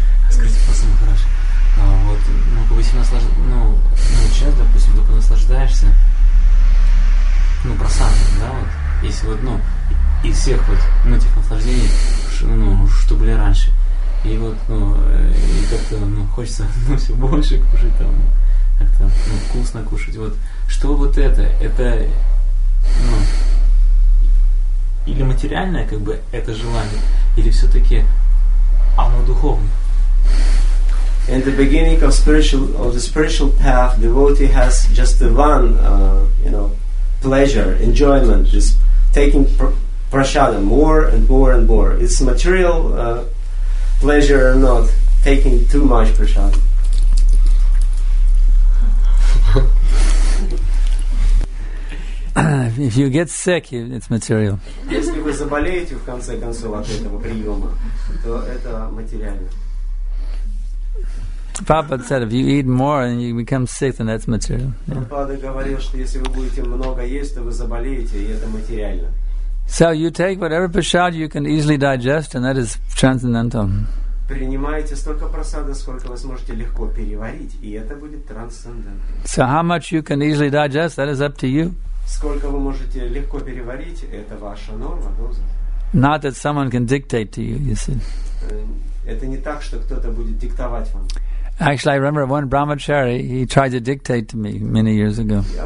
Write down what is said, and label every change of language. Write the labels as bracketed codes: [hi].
[ru] Скажите, Фасан Махарадж, вот, ну, как бы сильно научаешь, допустим, только наслаждаешься, ну, просадом, да, вот, если вот, ну, из всех вот, ну, этих наслаждений, ну, что были раньше, и вот, ну, и как-то, ну, хочется, ну, все больше кушать, там, как-то, ну, вкусно кушать, вот, что вот это, ну, или материальное, как бы, это желание, или все-таки оно духовное? [en] In the beginning of the spiritual path, devotee has just the one, you know, pleasure, enjoyment, just taking prasadam more and more and more. It's material pleasure or not, taking too much prasadam. If you get sick, it's material. [ru] Если вы заболеете в конце концов от этого приема, то это материально. [en] Prabhupada said, if you eat more and you become sick, then that's material. [ru] Prabhupada говорил, что если вы будете много есть, то вы заболеете, и это материально. [en] So you take whatever prasad you can easily digest, and that is transcendental. [ru] Принимаете столько просады, сколько вы сможете легко переварить, и это будет трансцендентно. [en] So how much you can easily digest, that is up to you. [ru] Сколько вы можете легко переварить, это ваша норма, доза. [en] Not that someone can dictate to you, you see. [ru] Это не так, что кто-то будет диктовать вам. [en] Actually, I remember one brahmachari, he tried to dictate to me many years ago.